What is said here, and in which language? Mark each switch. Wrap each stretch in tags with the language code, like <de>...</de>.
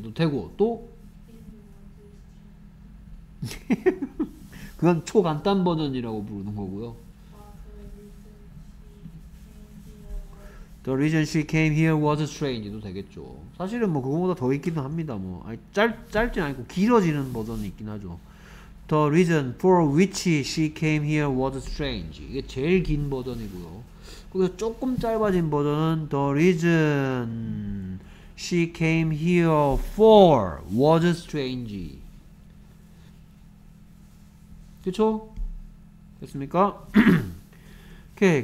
<ko>도 되고 또 그건 초간단 버전이라고 부르는 거고요.</ko> <en>The reason she came here was strange.</en> <ko>도 되겠죠. 사실은 뭐 그거보다 더 있기도 합니다. 뭐 아니, 짧진 않고 길어지는 버전이 있긴 하죠.</ko> <en>The reason for which she came here was strange.</en> <ko>이게 제일 긴 버전이고요. 그리고 조금 짧아진 버전은</ko> <en>The reason she came here for was strange.</en> <ko>그쵸? 됐습니까? 오케이.</ko>